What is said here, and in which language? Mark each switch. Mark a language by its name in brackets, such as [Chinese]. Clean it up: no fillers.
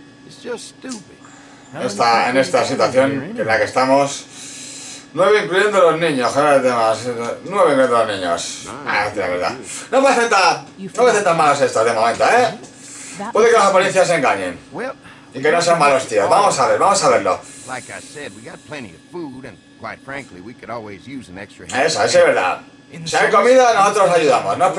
[English] It's just stupid. [Spanish] En esta situación en la que estamos. 9 incluyendo los niños, general de más. 9 incluyendo los niños. Ah, la verdad. No me hacen tan malos estos de momento, Puede que las apariencias se engañen. Y que no sean malos, tío. Vamos a verlo. [English] Like I said, we got plenty of food, and quite frankly, we could always use an extra. [Spanish] Eso, es verdad. Si hay comida, nosotros ayudamos.